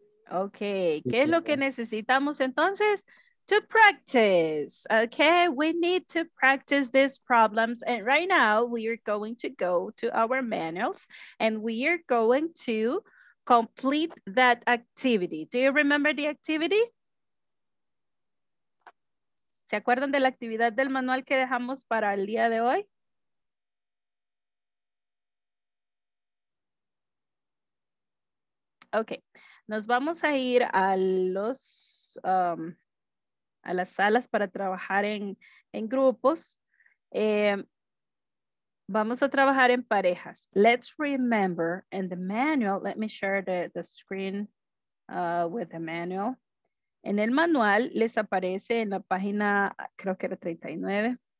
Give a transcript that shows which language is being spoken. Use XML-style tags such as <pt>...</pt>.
<es>Okay, ¿qué es lo que necesitamos entonces?</es> <en>To practice, okay? We need to practice these problems. And right now we are going to go to our manuals and we are going to complete that activity. Do you remember the activity?</en> <es>¿Se acuerdan de la actividad del manual que dejamos para el día de hoy? Ok, nos vamos a ir a los a las salas para trabajar en grupos. Vamos a trabajar en parejas.</es> <en>Let's remember in the manual, let me share the screen with the manual.</en> <es>En el manual les aparece en la página, creo que era 39.</es>